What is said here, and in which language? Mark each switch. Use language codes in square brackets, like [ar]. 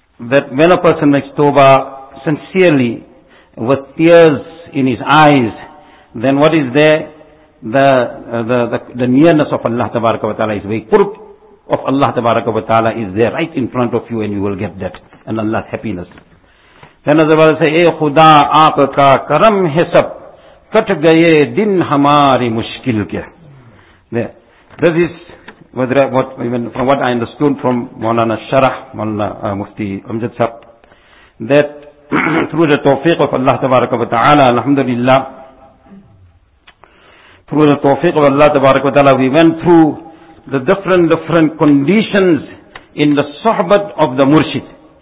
[en] That when a person makes توبہ sincerely, with tears in his eyes, then what is there? The nearness of Allah tabaraka wa ta'ala is very qurb of Allah tabaraka wa ta'ala is there right in front of you, and you will get that and Allah's happiness. Then Hazrat Wala say, [ur] اے خدا آپ کا کرم ہے سب کٹ گئے دن ہماری مشکل کے. [en] This is from what I understood from Maulana Sharah, Maulana Mufti Amjad Sahib, that through the tawfiq of Allah tabaraka wa ta'ala, alhamdulillah, through the tawfiq of Allah tabaraka wa ta'ala, we went through the different conditions in the sohbat of the murshid.